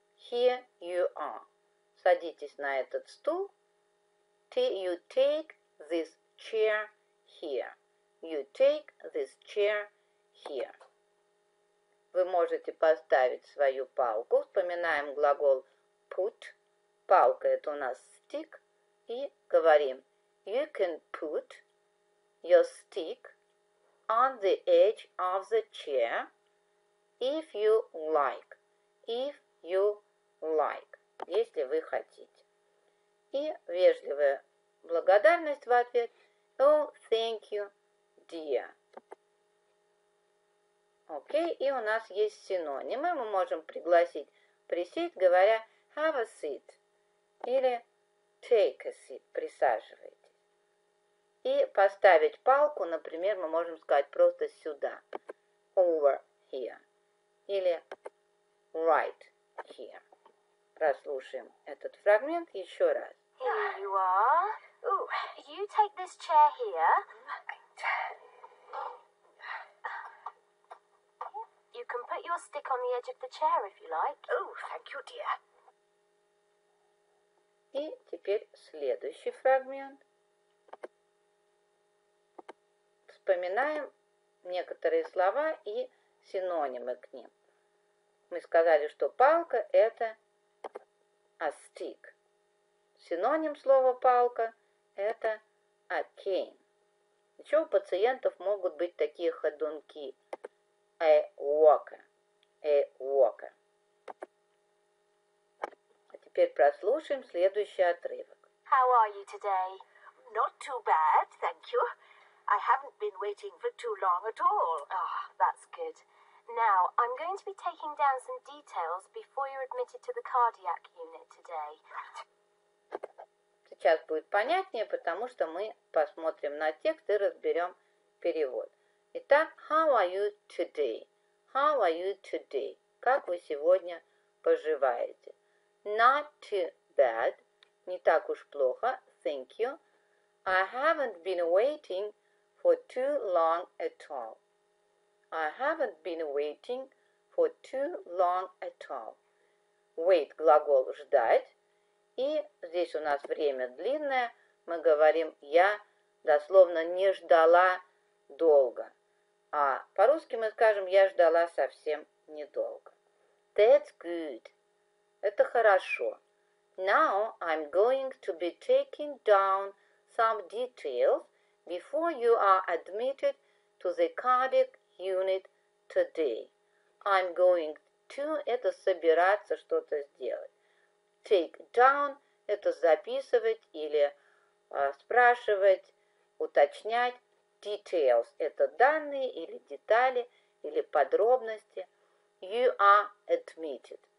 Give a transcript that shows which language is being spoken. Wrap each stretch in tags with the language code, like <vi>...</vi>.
<en>Here you are.</en> <ru>Садитесь на этот стул.</ru> <en>You take this chair here. You take this chair here.</en> <ru>Вы можете поставить свою палку. Вспоминаем глагол put. Палка – это у нас stick. И говорим</ru> <en>you can put your stick on the edge of the chair if you like. If you like.</en> <ru>Если вы хотите. И вежливая благодарность в ответ.</ru> <en>Oh, thank you, dear.</en> <ru>Окей, и у нас есть синонимы. Мы можем пригласить присесть, говоря</ru> <en>have a seat</en> <ru>или</ru> <en>take a seat,</en> <ru>присаживайтесь. И поставить палку, например, мы можем сказать просто сюда,</ru> <en>over here,</en> <ru>или</ru> <en>right here.</en> <ru>Прослушаем этот фрагмент еще раз.</ru> <en>Here you are. Ooh, you take this chair here. You can put your stick on the edge of the chair if you like. Oh, thank you, dear.</en> <ru>И теперь следующий фрагмент. Вспоминаем некоторые слова и синонимы к ним. Мы сказали, что палка – это a stick. Синоним слова палка – это a cane. Еще у пациентов могут быть такие ходунки.</ru> <en>A walker. A walker.</en> <ru>Теперь прослушаем следующий отрывок.</ru> <en>How are you today? Not too bad, thank you. I haven't been waiting for too long at all. Ah, oh, that's good. Now, I'm going to be taking down some details before you're admitted to the cardiac unit today.</en> <ru>Сейчас будет понятнее, потому что мы посмотрим на текст и разберем перевод.</ru> <en>Итак, how are you today? How are you today?</en> <ru>Как вы сегодня поживаете?</ru> <en>Not too bad.</en> <ru>Не так уж плохо.</ru> <en>Thank you. I haven't been waiting for too long at all. I haven't been waiting for too long at all.</en> <ru>Wait – глагол «ждать». И здесь у нас время длинное. Мы говорим «я дословно не ждала долго». А по-русски мы скажем «я ждала совсем недолго».</ru> <en>That's good.</en> <ru>Это хорошо.</ru> <en>Now I'm going to be taking down some details before you are admitted to the cardiac unit today.</en> <ru>I'm going to – это собираться что-то сделать. Take down – это записывать или спрашивать, уточнять. Details – это данные или детали, или подробности.</ru> <en>You are admitted.</en>